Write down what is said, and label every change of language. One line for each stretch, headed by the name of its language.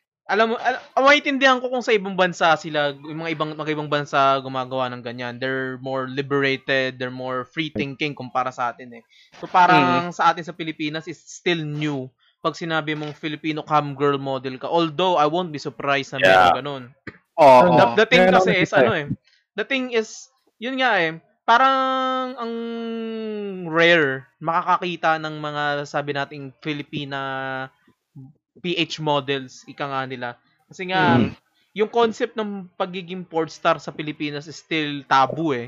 Filipino: Alam mo, maintindihan ko kung sa ibang bansa sila, yung mga ibang bansa gumagawa ng ganyan.
English: They're more liberated, they're more free-thinking
Filipino: kumpara sa atin eh.
English: So
Filipino: parang sa atin sa Pilipinas,
English: it's still new.
Filipino: Pag sinabi mong
English: Filipino cam girl model ka, although I won't be surprised
Filipino: na may ganun.
English: The thing is,
Filipino: yun nga eh, parang ang rare makakakita ng mga sabi nating Filipina PH models, ika nga nila. Kasi nga, yung concept ng pagiging porn star sa Pilipinas
English: is still taboo
Filipino: eh.